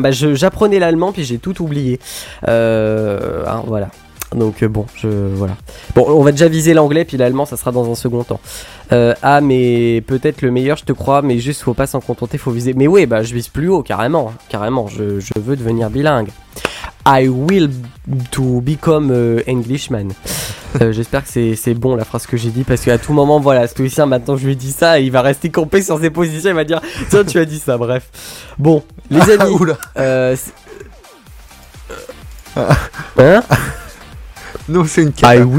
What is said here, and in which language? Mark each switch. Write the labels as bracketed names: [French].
[French] Bah, j'apprenais l'allemand, puis j'ai tout oublié. Voilà. Donc, bon, voilà. Bon, on va déjà viser l'anglais, puis l'allemand, ça sera dans un second temps. Mais peut-être le meilleur, je te crois, mais juste, faut pas s'en contenter, faut viser. Mais ouais, bah, je vise plus haut, carrément. Carrément, je veux devenir bilingue. [English] I will to become Englishman. [French] J'espère que c'est bon la phrase que j'ai dit, parce qu'à tout moment, voilà, Stoïcien, maintenant je lui dis ça, et il va rester campé sur ses positions, il va dire, tiens, tu as dit ça, bref. Bon, les amis. Oula. Hein? Non, c'est une carte.